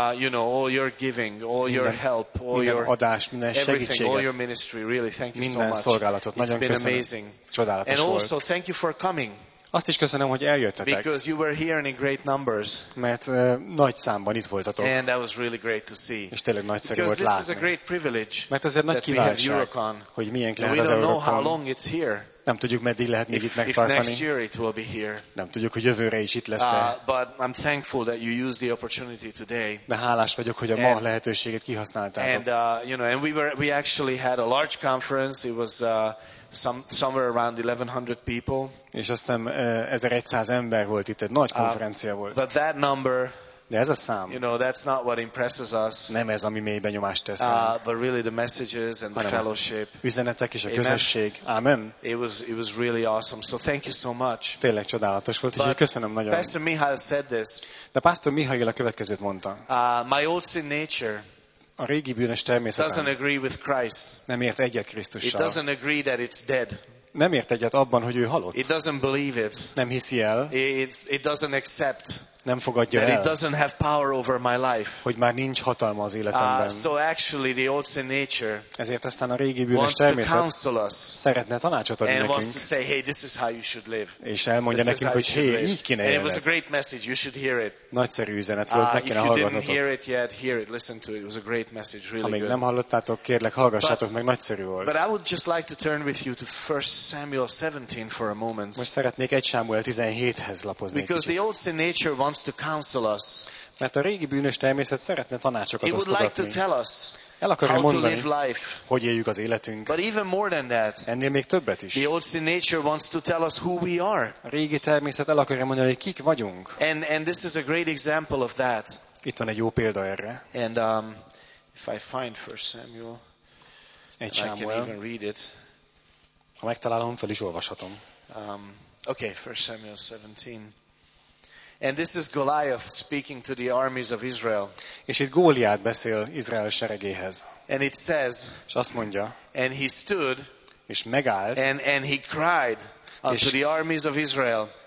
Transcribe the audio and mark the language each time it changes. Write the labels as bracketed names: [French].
[English] You know, all your giving, all your help, all your [Hungarian] adás, minden segítséget. [English] All your ministry, really, thank you [Hungarian] minden [English] so much. [Hungarian] Szolgálatot. Nagyon [English] it's been amazing. [Hungarian] Csodálatos volt. [English] And also, thank you for coming. [Hungarian] Azt is köszönöm, hogy eljöttetek. [English] Because you were here in great numbers. [Hungarian] Mert nagy számban itt voltatok. [English] And that was really great to see. [Hungarian] És tényleg nagyszerű volt látni. [English] This is a great privilege. [Hungarian] Mert ez egy nagy kiváltság, hogy milyen kell az Eurocon. Nem tudjuk, meddig lehet még itt megtartani. [English] If next year it will be here. [Hungarian] Nem tudjuk, hogy jövőre is itt lesz-e. [English] But I'm thankful that you used the opportunity today. [Hungarian] De hálás vagyok, hogy a ma lehetőséget kihasználtátok. [English] And you know, and we actually had a large conference. It was somewhere around 1100 people. [Hungarian] És aztán 1100 ember volt itt, egy nagy konferencia volt. [English] But that number, [Hungarian] de ez a szám. [English] You know, that's not what impresses us. [Hungarian] Nem ez, ami mély benyomást tesz. [English] But really the messages and the fellowship. [Hungarian] Üzenetek és a közösség. Amen. [English] It was really awesome. So thank you so much. [Hungarian] Tényleg csodálatos volt, úgyhogy köszönöm nagyon. [English] Pastor Mihail said this. [Hungarian] De Pastor Mihail a következőt mondta. [English] My old sin nature. [Hungarian] A régi bűnös természetem. [English] Doesn't agree with Christ. [Hungarian] Nem ért egyet Krisztussal. [English] It doesn't agree that it's dead. [Hungarian] Nem ért egyet abban, hogy ő halott. [English] It doesn't believe it. [Hungarian] Nem hiszi el. [English] It doesn't accept. [Hungarian] nem fogadja el. [English] That it doesn't have power over my life. [Hungarian] Hogy már nincs hatalma az életemben. [English] So actually the old sin nature. [Hungarian] Ezért aztán a régi bűnös természet szeretne tanácsot adni [English] and [Hungarian] nekünk. [English] And wants to say, hey, this is how you should live. [Hungarian] És elmondja [English] this [Hungarian] nekünk, hogy hey, így kéne élni. [English] And it was a great message. You should hear it. [Hungarian] Nagyszerű üzenet volt, meg kéne hallgatnotok. [English] If you didn't hear it yet, hear it. Listen to it. It was a great message, really [Hungarian] ha még [English] good. [Hungarian] Nem hallottátok, kérlek hallgassátok, meg nagyszerű volt. [English] But I would just like to turn with you to 1 Samuel 17 for a moment. [Hungarian] Most szeretnék 1 Sámuel 17-hez lapozni. [English] Because the old sin nature wants to counsel us. [Hungarian] Mert a régi bűnös természet szeretne tanácsokat osztogatni. [English] He would like to tell us. [Hungarian] El akarja mondani, [English] to live [Hungarian] hogy éljük az életünk. [English] But even more than that. [Hungarian] Ennél még többet is. [English] The old sin nature wants to tell us who we are. [Hungarian] A régi természet el akarja mondani, hogy kik vagyunk. [English] And this is a great example of that. [Hungarian] Itt van egy jó példa erre. [English] And if I find 1 Samuel, [Hungarian] egy Sámuel, [English] I can even read it. [Hungarian] Ha megtalálom, fel is olvashatom. [English] Okay, 1 Samuel 17. And this is Goliath speaking to the armies of Israel. [Hungarian] És itt Góliát beszél Izrael seregéhez. [English] And it says, [Hungarian] és azt mondja, [English] and he stood, [Hungarian] és megállt, [English] and he cried unto the armies of Israel.